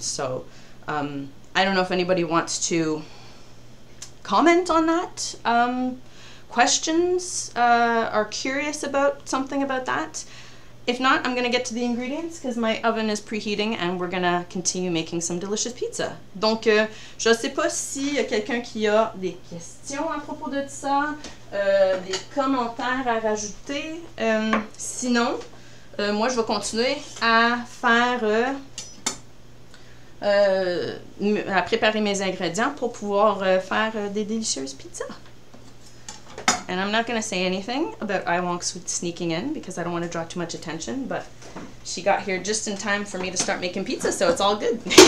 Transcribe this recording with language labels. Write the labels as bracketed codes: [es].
[en] So I don't know if anybody wants to comment on that. Questions? Are curious about something about that? If not, I'm gonna get to the ingredients because my oven is preheating and we're gonna continue making some delicious pizza. [fr] Donc, je sais pas s'il y a quelqu'un qui a des questions à propos de ça, des commentaires à rajouter. Sinon, moi, je vais continuer à faire, à préparer mes ingrédients pour pouvoir faire des délicieuses pizzas. [en] And I'm not going to say anything about Iwonk sneaking in because I don't want to draw too much attention, but she got here just in time for me to start making pizza, so it's all good.